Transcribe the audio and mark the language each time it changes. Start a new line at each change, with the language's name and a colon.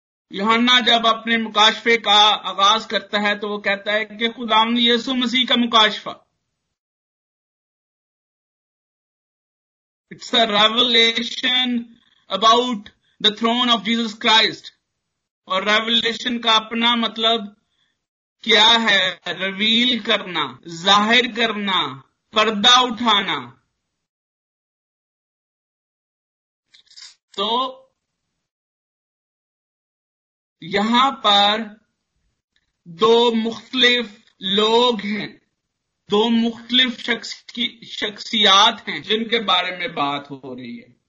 Urdu: یوحنا جب اپنے مکاشفے کا آغاز کرتا ہے تو وہ کہتا ہے کہ خداوند یسوع مسیح کا مکاشفہ.
English: It's a revelation about the throne of Jesus Christ.
Urdu: اور ریولیشن کا اپنا مطلب کیا ہے؟ ریویل کرنا، ظاہر کرنا، پردہ اٹھانا. تو یہاں پر دو مختلف لوگ ہیں، دو مختلف شخصیات ہیں جن کے بارے میں بات ہو رہی ہے.